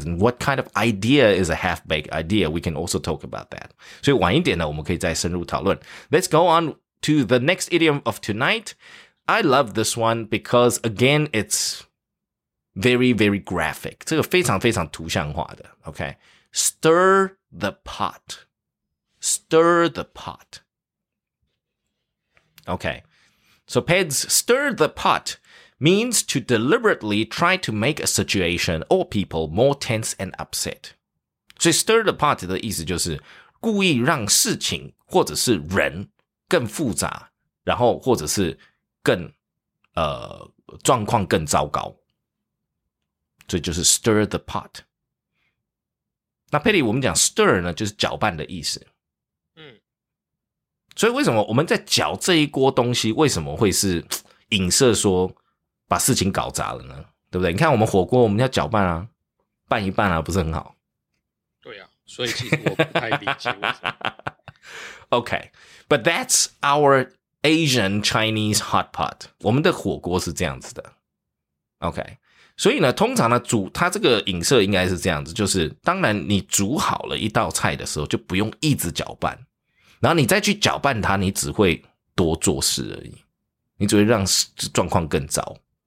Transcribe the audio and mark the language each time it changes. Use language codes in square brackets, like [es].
[en] And what kind of idea is a half-baked idea? We can also talk about that. [zh] 所以晚一点呢，我们可以再深入讨论。 [en] Let's go on to the next idiom of tonight. I love this one because, again, it's very, very graphic. [zh] 这个非常非常图像化的 , [en] okay? Stir the pot. Stir the pot. Okay. So, Peds, stir the pot means to deliberately try to make a situation or people more tense and upset. [zh] 所以 stir the pot 的意思就是故意让事情或者是人更复杂，然后或者是更状况更糟糕。所以就是 stir the pot. 那 Peds, 我们讲 stir 呢，就是搅拌的意思。所以为什么我们在搅这一锅东西为什么会是影射说把事情搞砸了呢？对不对？你看我们火锅我们要搅拌啊，拌一拌啊，不是很好？对啊，所以其实我不太理解。 [en] OK, but that's our Asian Chinese hot pot. [zh] 我们的火锅是这样子的。OK, 所以呢，通常呢，煮它这个影射应该是这样子，就是当然你煮好了一道菜的时候就不用一直搅拌，然后你再去搅拌它，你只会多做事而已，你只会让状况更糟。